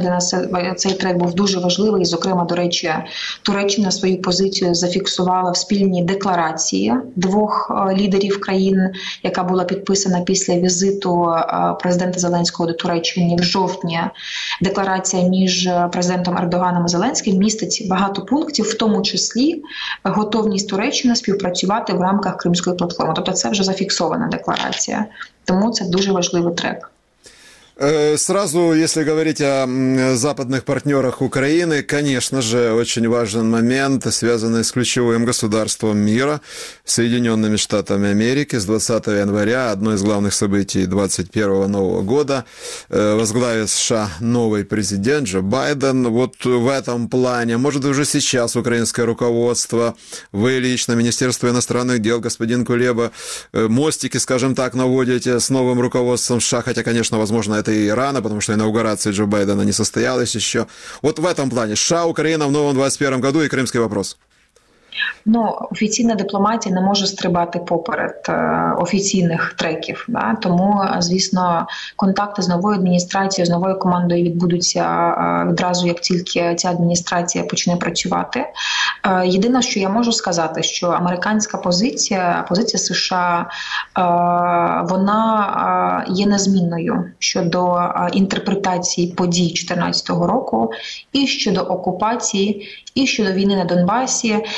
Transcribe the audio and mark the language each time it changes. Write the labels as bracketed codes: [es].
[uk] Для нас цей трек був дуже важливий. Зокрема, до речі, Туреччина свою позицію зафіксувала в спільній декларації двох лідерів країн, яка була підписана після візиту президента Зеленського до Туреччини в жовтні. Декларація між президентом Ердоганом і Зеленським містить багато пунктів, в тому числі готовність Туреччини співпрацювати в рамках Кримської платформи. Тобто це вже зафіксована декларація. Тому це дуже важливий трек. [ru] Сразу, если говорить о западных партнерах Украины, конечно же, очень важен момент, связанный с ключевым государством мира, Соединенными Штатами Америки. С 20 января, одно из главных событий 21-го Нового года, возглавит США новый президент Джо Байден. Вот в этом плане, может, уже сейчас украинское руководство, вы лично, Министерство иностранных дел, господин Кулеба, мостики, скажем так, наводите с новым руководством США, хотя, конечно, возможно, это и рано, потому что инаугурация Джо Байдена не состоялась еще. Вот в этом плане США, Украина в новом 21-м году и Крымский вопрос. [uk] Ну, офіційна дипломатія не може стрибати поперед офіційних треків. Да? Тому, звісно, контакти з новою адміністрацією, з новою командою відбудуться відразу, як тільки ця адміністрація почне працювати. Єдине, що я можу сказати, що американська позиція, позиція США, вона є незмінною щодо інтерпретації подій 2014 року і щодо окупації, і щодо війни на Донбасі.